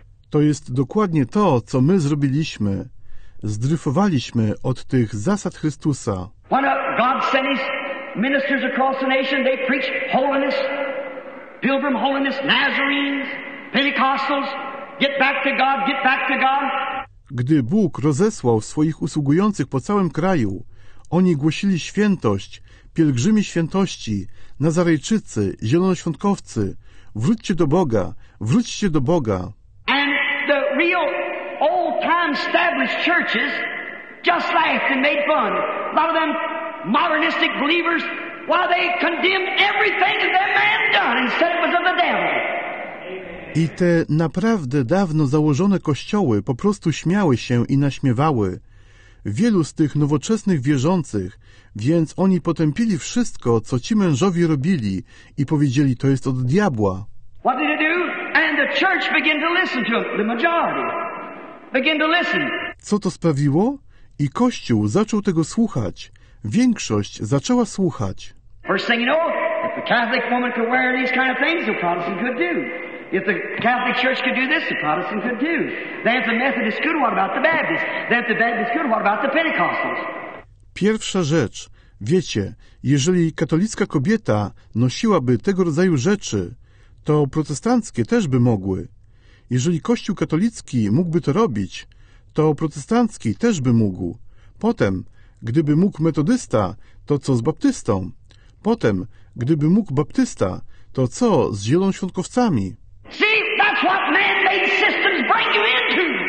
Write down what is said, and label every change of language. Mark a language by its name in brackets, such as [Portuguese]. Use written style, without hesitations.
[Polish] To jest dokładnie to, co my zrobiliśmy. Zdryfowaliśmy od tych zasad Chrystusa. [English] When God sent his ministers across the nation, they preached holiness, pilgrim holiness, Nazarenes, Pentecostals, get back to God, get back to God. [Polish] Gdy Bóg rozesłał swoich usługujących po całym kraju, oni głosili świętość, pielgrzymi świętości, Nazarejczycy, zielonoświątkowcy, wróćcie do Boga, wróćcie do Boga. [English] And the real old time established churches just laughed and made fun. A lot of them modernistic believers, while they condemned everything that man done and said it was of the devil. [Polish] I te naprawdę dawno założone kościoły po prostu śmiały się i naśmiewały. Wielu z tych nowoczesnych wierzących, więc oni potępili wszystko, co ci mężowie robili i powiedzieli, to jest od diabła. [English] What did they do? And the church began to listen to the majority. Began to listen. [Polish] Co to sprawiło? I kościół zaczął tego słuchać. Większość zaczęła słuchać. [English] First thing you know, if the Catholic woman could wear these kind of things, the Protestant could do. If the Catholic Church could do this, the Protestant could do. Then if the Methodist could, what about the Baptist? Then if the Baptist could, what about the Pentecostals? [Polish] Pierwsza rzecz. Wiecie, jeżeli katolicka kobieta nosiłaby tego rodzaju rzeczy, to protestanckie też by mogły. Jeżeli Kościół katolicki mógłby to robić, to protestancki też by mógł. Potem, gdyby mógł metodysta, to co z baptystą? Potem, gdyby mógł baptysta, to co z zielonoświątkowcami? [English] See, that's what man-made systems bring you into.